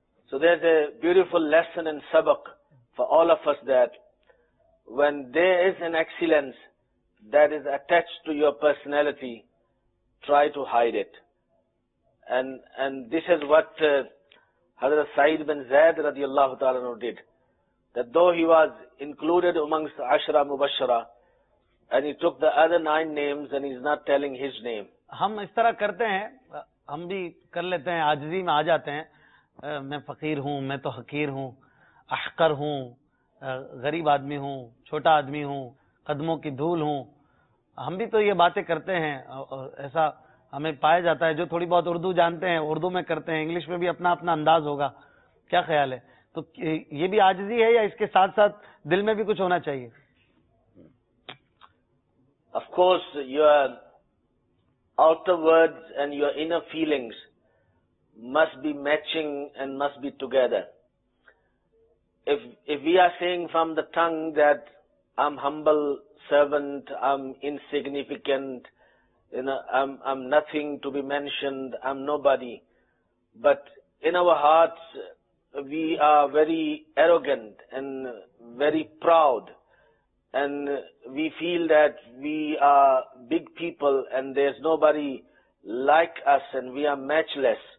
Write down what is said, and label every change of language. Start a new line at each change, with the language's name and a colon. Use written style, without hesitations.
English: So there's a beautiful lesson in sabak for all of us that when there is an excellence that is attached to your personality, try to hide it. And this is what Hazrat Sa'id bin Zayd radiallahu ta'ala did. That though he was included amongst Ashra Mubashara, and he took the other 9 names and he's not telling his name.
Urdu: ہم اس طرح کرتے ہیں, ہم بھی کر لیتے ہیں, عاجزی میں آ جاتے ہیں, میں فقیر ہوں, میں تو حقیر ہوں, احقر ہوں, غریب آدمی ہوں, چھوٹا آدمی ہوں, قدموں کی دھول ہوں, ہم بھی تو یہ باتیں کرتے ہیں, ایسا ہمیں پایا جاتا ہے. جو تھوڑی بہت اردو جانتے ہیں اردو میں کرتے ہیں, انگلش میں بھی اپنا اپنا انداز ہوگا, کیا خیال ہے؟ تو یہ بھی عاجزی ہے یا اس کے ساتھ ساتھ دل میں بھی کچھ ہونا چاہیے؟
English: Of course, your outer words and your inner feelings must be matching and must be together. If we are saying from the tongue that I'm humble servant, I'm insignificant, you know, I'm nothing to be mentioned, I'm nobody, but in our hearts we are very arrogant and very proud, and we feel that we are big people and there's nobody like us and we are matchless,